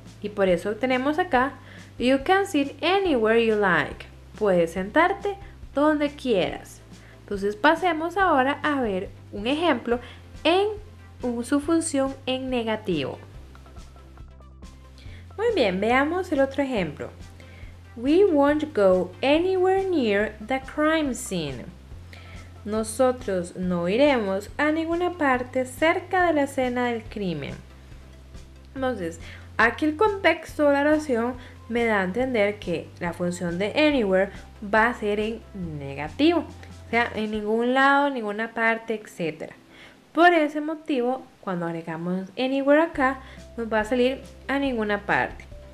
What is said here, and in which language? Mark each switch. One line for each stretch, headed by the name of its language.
Spanish: Y por eso tenemos acá,
English: you can sit anywhere you like.
Spanish: Puedes sentarte donde quieras. Entonces pasemos ahora a ver un ejemplo en su función en negativo. Muy bien, veamos el otro ejemplo.
English: We won't go anywhere near the crime scene.
Spanish: Nosotros no iremos a ninguna parte cerca de la escena del crimen. Entonces, aquí el contexto de la oración me da a entender que la función de anywhere va a ser en negativo. O sea, en ningún lado, ninguna parte, etc. Por ese motivo, cuando agregamos anywhere acá, nos va a salir a ninguna parte.